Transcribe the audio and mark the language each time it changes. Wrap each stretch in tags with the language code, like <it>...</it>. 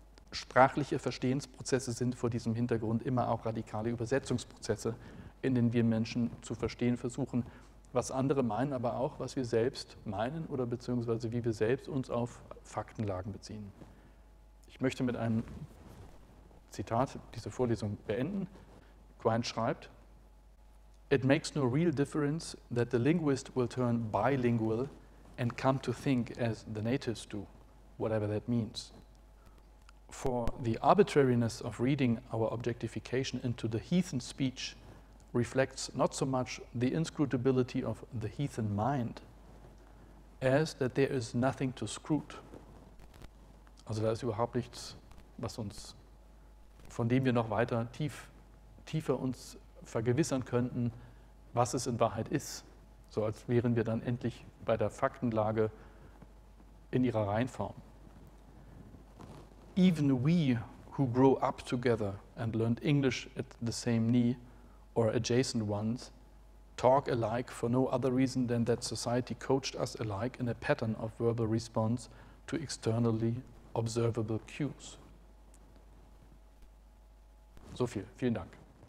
<de>Sprachliche Verstehensprozesse sind vor diesem Hintergrund immer auch radikale Übersetzungsprozesse, in denen wir Menschen zu verstehen versuchen, was andere meinen, aber auch, was wir selbst meinen oder beziehungsweise wie wir selbst uns auf Faktenlagen beziehen. Ich möchte mit einem Zitat diese Vorlesung beenden.</de> <en>Quine schreibt, "It makes no real difference that the linguist will turn bilingual and come to think as the natives do, whatever that means. For the arbitrariness of reading our objectification into the heathen speech reflects not so much the inscrutability of the heathen mind as that there is nothing to scrute."</en> <de>Also da ist überhaupt nichts, was uns, von dem wir noch weiter tiefer uns vergewissern könnten, was es in Wahrheit ist, so als wären wir dann endlich bei der Faktenlage in ihrer Reinform.</de> <en>"Even we who grow up together and learned English at the same knee or adjacent ones, talk alike for no other reason than that society coached us alike in a pattern of verbal response to externally observable cues."</en> <de>So viel. Vielen Dank.</de>